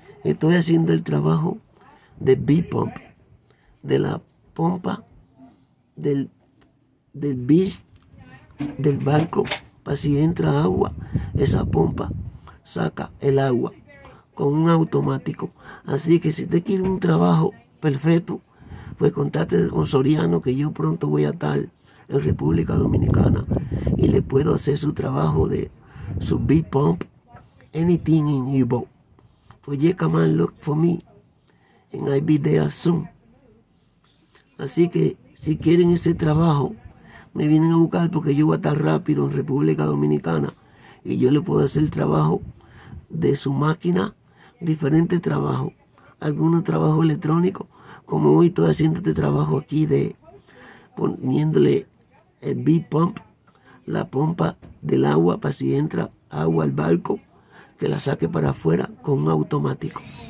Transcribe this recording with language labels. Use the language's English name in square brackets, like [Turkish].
[Spanish] Estoy haciendo el trabajo de B pump, de la pompa del bis del barco, para si entra agua, esa pompa saca el agua con un automático. Así que si te quiere un trabajo perfecto, pues contate con Soriano, que yo pronto voy a estar en República Dominicana y le puedo hacer su trabajo de su bis pump, [English] anything in your boat. Pues you come and look for me and I'll be there soon. [Spanish] Así que si quieren ese trabajo, me vienen a buscar porque yo voy a estar rápido en República Dominicana y yo le puedo hacer trabajo de su máquina, diferentes trabajos, algunos trabajos electrónicos, como hoy estoy haciendo este trabajo aquí de poniéndole el B pump, la pompa del agua para si entra agua al barco, que la saque para afuera con un automático.